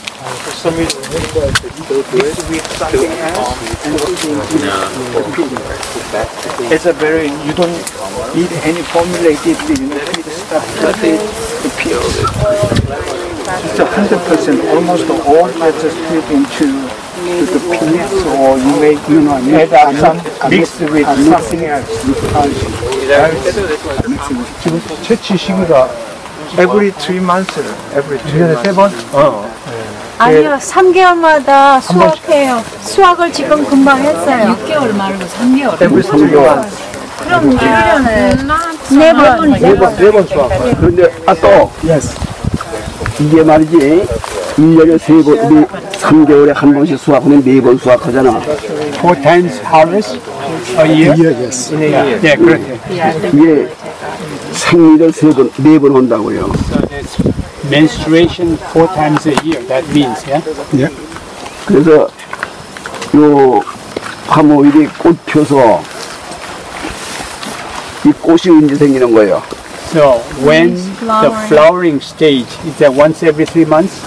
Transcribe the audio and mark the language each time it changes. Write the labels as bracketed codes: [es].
[en] For some reason, it's a very, you don't need any formulated stuff, but it's just 100%, almost all has to split into the peanuts, or you may, you know, add some mixed with something else. Is that every 3 months, every 3 months. [ko] 아니요, 3개월마다 수확해요. 수확을 지금 금방 했어요. 6개월 말고 3개월. 3개월. 3개월. 그럼 1년에 4번 수확을. 그런데, 아, 또. [en] Yes. [ko] 이게 말이지, 1년에 3번, 우리 3개월에 한 번씩 수확하면 4번 수확하잖아. [en] Four times harvest a year? Yeah, yes. Yeah, yeah. [ko] 그렇게. 이게 생리를 3번, 4번 한다고요. [en] Menstruation 4 times a year, that means, yeah? Yeah. [ko] 그래서 요 화목일이 꽃 펴서 이 꽃이 언제 생기는 거예요? [en] So, when the flowering stage, is that once every 3 months?